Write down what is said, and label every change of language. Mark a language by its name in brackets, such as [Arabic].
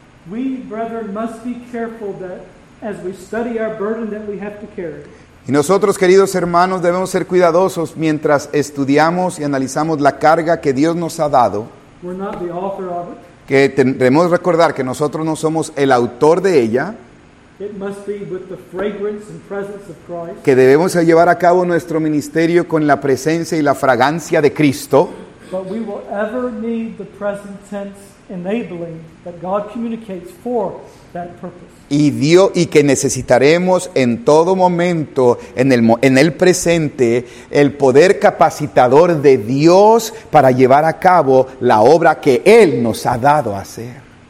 [English] We, brethren, must be careful that as we study our burden that we have to carry. [Spanish] Y nosotros, queridos hermanos, debemos ser cuidadosos mientras estudiamos y analizamos la carga que Dios nos ha dado. [English] We're not the author of it. [Spanish] Que tendremos que recordar que nosotros no somos el autor de ella. [English] It must be with the fragrance and presence of Christ. [Spanish] Que debemos llevar a cabo nuestro ministerio con la presencia y la fragancia de Cristo. [English] But we will ever need the present tense enabling that God communicates for that purpose. [Spanish] Y que necesitaremos en todo momento, en el presente, el poder capacitador de Dios para llevar a cabo la obra que Él nos ha dado a hacer.